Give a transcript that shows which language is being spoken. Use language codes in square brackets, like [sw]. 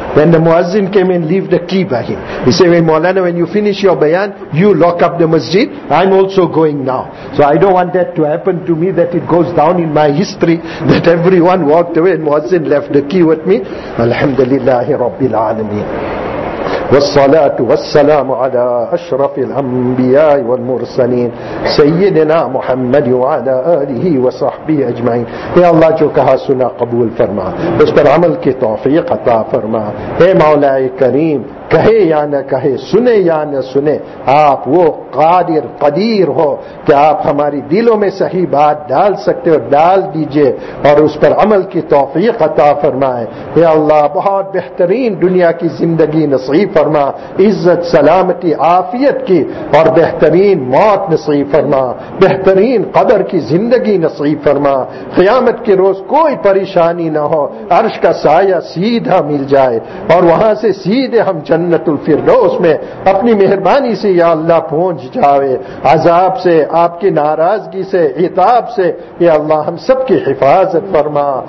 [en] Then the muazzin came and left the key by him. He said, hey Maulana, when you finish your bayan, you lock up the masjid, I'm also going now. So I don't want that to happen to me, that it goes down in my history, that everyone walked away and muazzin left the key with me. [ar] Alhamdulillah Rabbil Alameen. والصلاة والسلام على أشرف الأنبياء والمرسلين سيدنا محمد وعلى آله وصحبه أجمعين [ur] يا الله جو کہا سنا قبول فرما اس پر عمل کی توفیق عطا فرما اے مولا کریم کہے یا نہ کہے، سنے یا نہ سنے، آپ وہ قادر قدیر ہو کہ آپ ہماری دلوں میں صحیح بات ڈال سکتے ہو، ڈال دیجئے اور اس پر عمل کی توفیق عطا فرمائیں. یا اللہ بہت بہترین دنیا کی زندگی نصیب فرما، عزت سلامتی عافیت کی، اور بہترین موت نصیب فرما، بہترین قبر کی زندگی نصیب فرما، قیامت کے روز کوئی پریشانی نہ ہو، عرش کا سایہ سیدھا مل جائے اور وہاں سے سیدھے ہم جنت الفردوس میں اپنی مہربانی سے یا اللہ پہنچ جاوے، عذاب سے، آپ کی ناراضگی سے، عتاب سے یا اللہ ہم سب کی حفاظت فرما.